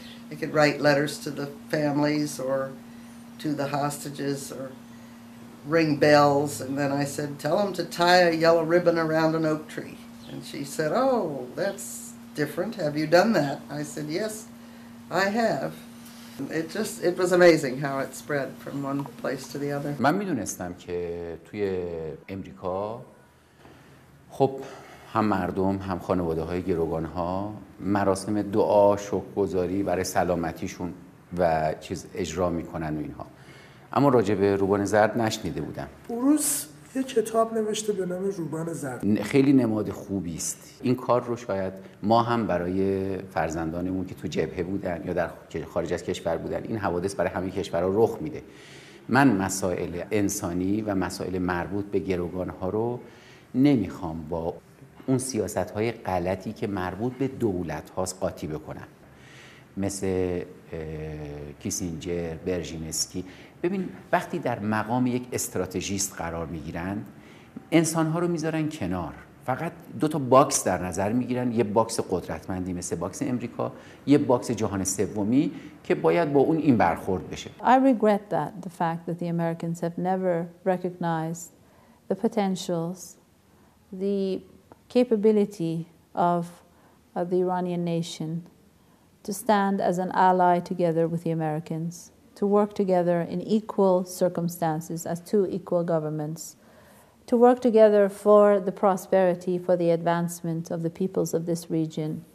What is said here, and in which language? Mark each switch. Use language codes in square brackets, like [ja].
[en] They could write letters to the families or to the hostages or ring bells. And then I said, tell them to tie a yellow ribbon around an oak tree. And she said, oh, that's different. Have you done that? I said, yes, I have. It was amazing how it spread from one place to the other. [fa] من میدونستم که توی امریکا خب هم مردم هم خانواده های گروگان ها مراسم دعا شکرگزاری برای سلامتیشون و چیز اجرا میکنن و اینها. اما راجع به روبان زرد نشنیده بودم. اوروس یه کتاب نوشته به نام روبان زرد. خیلی نماد خوبی است. این کار رو شاید ما هم برای فرزندانمون که تو جبهه بودن یا در خارج از کشور بودن، این حوادث برای همه کشورها رخ میده. من مسائل انسانی و مسائل مربوط به گروگان‌ها رو نمیخوام با اون سیاست‌های غلطی که مربوط به دولت‌هاست قاطی بکنم، مثل کیسینجر، برژینسکی. ببین، وقتی در مقام یک استراتژیست قرار میگیرن، انسان‌ها رو میذارن کنار، فقط دو تا باکس در نظر میگیرن، یه باکس قدرتمندی مثل باکس امریکا، یه باکس جهان سومی که باید با اون این برخورد بشه. [en] I regret that the fact that the Americans have never recognized the potentials, the capability of the Iranian nation to stand as an ally together with the Americans, to work together in equal circumstances as two equal governments, to work together for the prosperity, for the advancement of the peoples of this region,